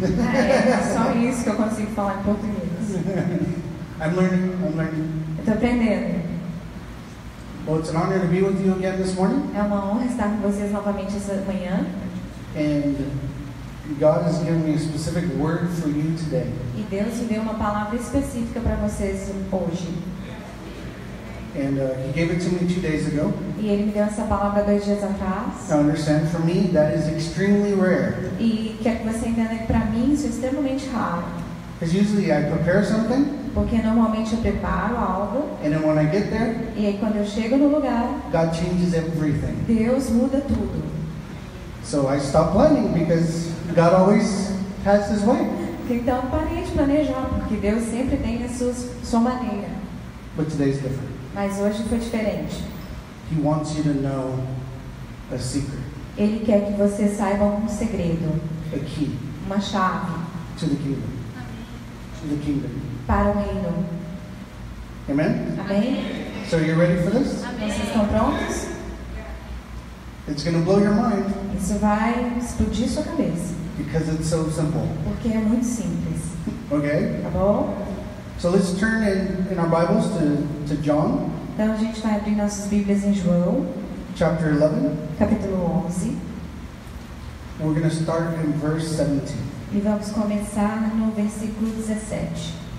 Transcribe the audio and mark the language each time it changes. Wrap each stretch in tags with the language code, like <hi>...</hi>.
<pt>É só isso que eu consigo falar em português.</pt> <en>I'm learning.</en> <pt>Estou aprendendo.</pt> <en>Well, it's an honor to be with you again this morning.</en> <pt>É uma honra estar com vocês novamente essa manhã.</pt> <en>And God has given me a specific word for you today.</en> <pt>E Deus me deu uma palavra específica para vocês hoje.</pt> <en>And he gave it to me 2 days ago.</en> <pt>E ele me deu essa palavra 2 dias atrás.</pt> <en>Now understand, for me, that is extremely rare.</en> <pt>E quer que você entenda que para mim isso é extremamente raro.</pt> <en>Because usually I prepare something.</en> <pt>Porque normalmente eu preparo algo.</pt> <en>And then when I get there.</en> <pt>E aí quando eu chego no lugar.</pt> <en>God changes everything.</en> <pt>Deus muda tudo.</pt> <en>So I stop planning because God always has His way.</en> <pt>Então parei de planejar porque Deus sempre tem a sua maneira.</pt> <en>But today is different.</en> <pt>Mas hoje foi diferente.</pt> <en>He wants you to know a secret.</en> <pt>Ele quer que você saiba um segredo.</pt> <en>A key.</en> <pt>Uma chave.</pt> <en>To the kingdom. Amém. To the kingdom.</en> <pt>Para o reino.</pt> <en>Amen?</en> <pt>Amém.</pt> <en>So you're ready for this?</en> <pt>Amém. Vocês estão prontos?</pt> <en>It's gonna blow your mind.</en> <pt>Isso vai explodir sua cabeça.</pt> <en>Because it's so simple.</en> <pt>Porque é muito simples.</pt> <en>Okay.</en> <pt>Tá bom?</pt> <en>So let's turn in our Bibles to John.</en> <pt>Então a gente vai abrir nossas Bíblias em João.</pt> <en>Chapter 11.</en> <pt>Capítulo 11.</pt> <en>We're going to start in verse 17.</en> <pt>E vamos começar no versículo 17.</pt>